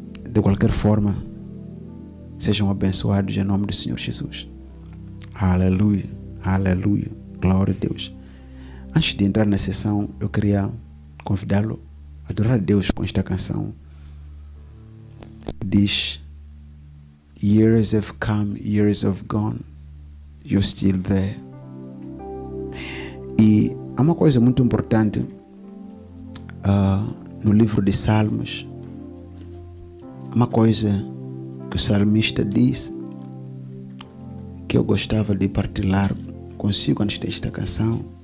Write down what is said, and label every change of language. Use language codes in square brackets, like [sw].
[pt] De qualquer forma, sejam abençoados em nome do Senhor Jesus. Aleluia, aleluia, glória a Deus. Antes de entrar na sessão, eu queria convidá-lo a adorar a Deus com esta canção. [en] Diz: years have come, years have gone, you're still there. [pt] E há uma coisa muito importante no livro de Salmos. Há uma coisa que o salmista diz que eu gostava de partilhar consigo antes desta canção.